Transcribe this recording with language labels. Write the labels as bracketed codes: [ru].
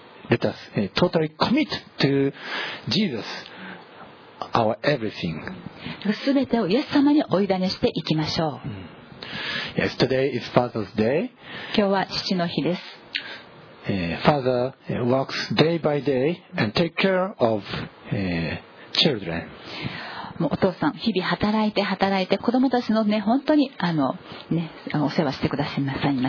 [en] Let us totally commit to Jesus, our everything. [ja] すべてをイエス様にお委ねしていきましょう。 [en] Yes, today is Father's Day. [ja] 今日は父の日です。 [en] Father works day by day and take care of children. [ja] もうお父さん日々働いて働いて子供たちのね本当にねお世話してくださいます。